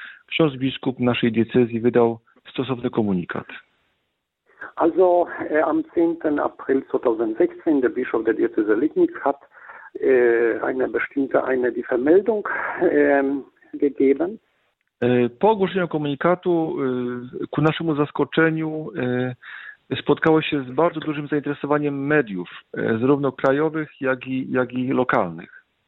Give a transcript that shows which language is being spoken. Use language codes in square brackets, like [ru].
[pl] Ksiądz biskup naszej diecezji wydał stosowny komunikat. [de] Also am 10. April 2016, der Bischof der Diözese Liegnitz hat die Vermeldung gegeben. [pl] Po ogłoszeniu komunikatu, ku naszemu zaskoczeniu, spotkało się z bardzo dużym zainteresowaniem mediów, zarówno krajowych, jak i lokalnych.